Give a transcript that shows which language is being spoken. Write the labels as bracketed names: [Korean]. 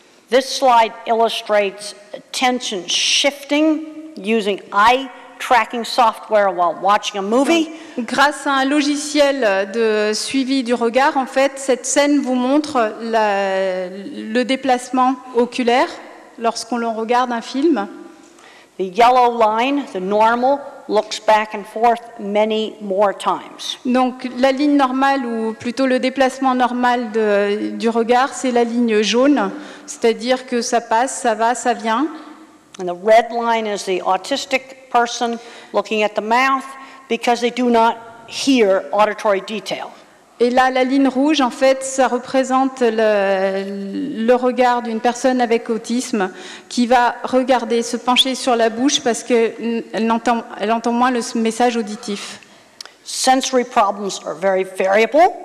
[English] This slide illustrates attention shifting using eye tracking software while watching a movie. [French] Donc, grâce à un logiciel de suivi du regard, en fait, cette scène vous montre le déplacement oculaire lorsqu'on regarde un film. [English] The yellow line, the normal, looks back and forth many more times. [French] Donc la ligne normale, ou plutôt le déplacement normal du regard, c'est la ligne jaune, c'est-à-dire que ça passe, ça va, ça vient. [English] And the red line is the autistic person looking at the mouth because they do not hear auditory detail. [French] Et là, la ligne rouge, en fait, ça représente le regard d'une personne avec autisme qui va regarder, se pencher sur la bouche parce qu'elle entend moins le message auditif. [English] Sensory problems are very variable.